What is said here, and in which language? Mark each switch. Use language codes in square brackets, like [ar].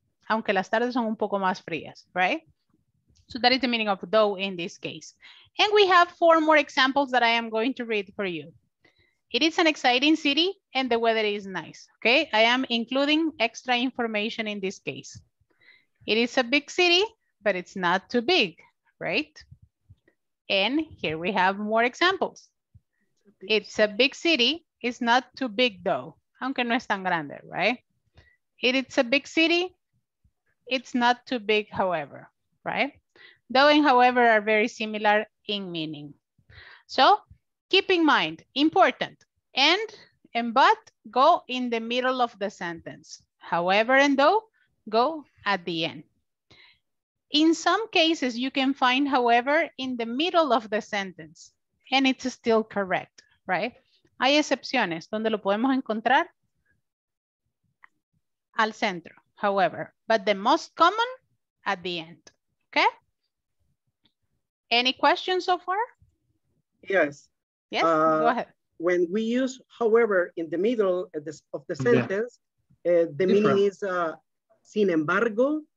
[es] Aunque las tardes son un poco más frías, right? [en] So that is the meaning of though in this case. And we have four more examples that I am going to read for you. It is an exciting city and the weather is nice, okay? I am including extra information in this case. It is a big city, but it's not too big, right? And here we have more examples. It's a big city, it's not too big though. [es] Aunque no es tan grande, [en] right? It is a big city, it's not too big, however, right? Though and however are very similar in meaning. So keep in mind, important, and but go in the middle of the sentence. However and though, go at the end. In some cases, you can find however in the middle of the sentence, and it's still correct, right? [es] Hay excepciones donde lo podemos encontrar al centro. [en] However, but the most common at the end, okay? Any questions so far? Yes. Yes, go ahead. When we use however in the middle of the sentence, the meaning is sin embargo.